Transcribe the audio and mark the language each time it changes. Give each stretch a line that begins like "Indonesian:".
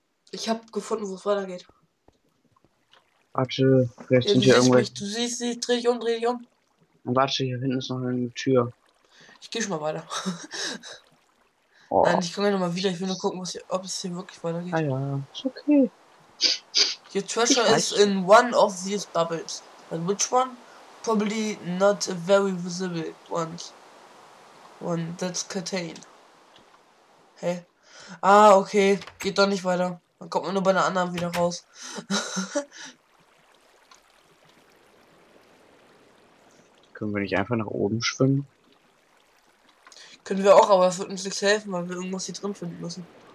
German: Ich hab gefunden, wo es weitergeht. Warte, vielleicht sind hier irgendwelche. Du siehst sie, dreh dich um. Und warte, hier hinten ist noch eine Tür. Ich geh schon mal weiter. Oh. Nein, ich komme ja nochmal wieder, ich will nur gucken, ob es hier wirklich weitergeht. Ah ja, ist okay.
English: Your treasure is in one of these bubbles. But which one? Probably not a very visible one that's contained.
German: Hä? Hey. Ah, okay, geht doch nicht weiter. Dann kommt man nur bei einer anderen wieder raus. Können wir nicht einfach nach oben schwimmen? Können wir auch, aber es wird uns nichts helfen, weil wir irgendwas hier drin finden müssen.